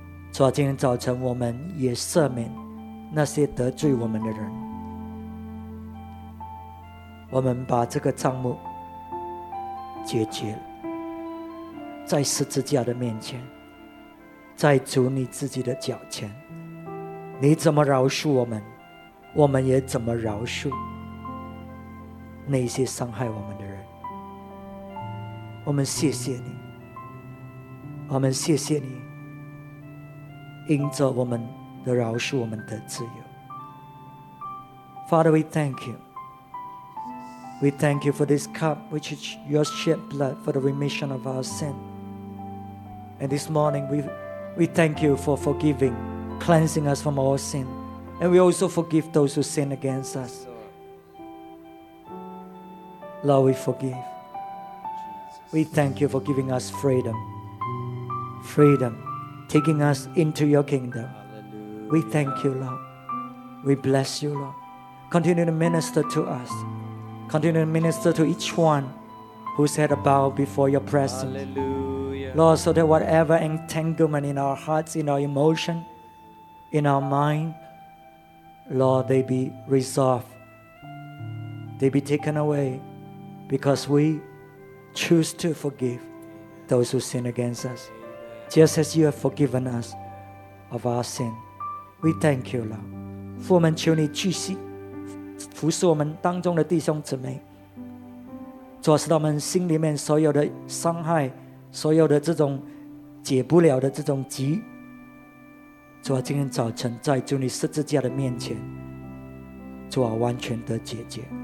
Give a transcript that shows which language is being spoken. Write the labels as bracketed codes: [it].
[zh] 主啊，今天早晨我们也赦免那些得罪我们的人，我们把这个账目解决了，在十字架的面前，在主你自己的脚前，你怎么饶恕我们，我们也怎么饶恕那些伤害我们的人。我们谢谢你，我们谢谢你，因着我们的饶恕，我们的自由。 [en] Father, we thank you. We thank you for this cup which is your shed blood for the remission of our sin. And this morning we thank you for forgiving, cleansing us from all sin. And we also forgive those who sin against us. Lord, we forgive. We thank you for giving us freedom. Freedom. Taking us into your kingdom. Hallelujah. We thank you, Lord. We bless you, Lord. Continue to minister to us. Continue to minister to each one who's had a bow before your presence. Hallelujah. Lord, so that whatever entanglement in our hearts, in our emotion, in our mind, Lord, they be resolved. They be taken away because we choose to forgive those who sin against us. Just as you have forgiven us of our sin, we thank you, Lord. [zh] 父，我们求你继续服侍我们当中的弟兄姊妹。主，使到我们心里面所有的伤害，所有的这种解不了的这种疾，主，今天早晨在主你十字架的面前，主啊，完全的解决。